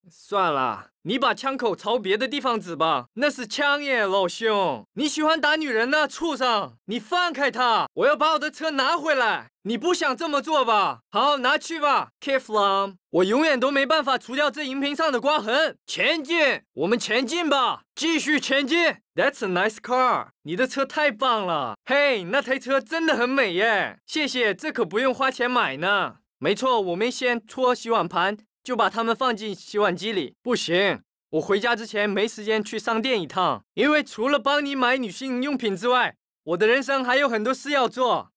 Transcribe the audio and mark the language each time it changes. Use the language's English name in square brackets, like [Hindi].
[Chinese] 算了，你把枪口朝别的地方指吧，那是枪耶，老兄，你喜欢打女人呢，畜生，你放开他，我要把我的车拿回来，你不想这么做吧？好，拿去吧。Keflam， 我永远都没办法除掉这荧屏上的刮痕。前进，我们前进吧，继续前进。 [English] That's a nice car， [Chinese] 你的车太棒了。嘿、hey， 那台车真的很美耶。谢谢，这可不用花钱买呢。没错，我们先搓洗碗盘，就把它们放进洗碗机里。不行，我回家之前没时间去商店一趟，因为除了帮你买女性用品之外，我的人生还有很多事要做。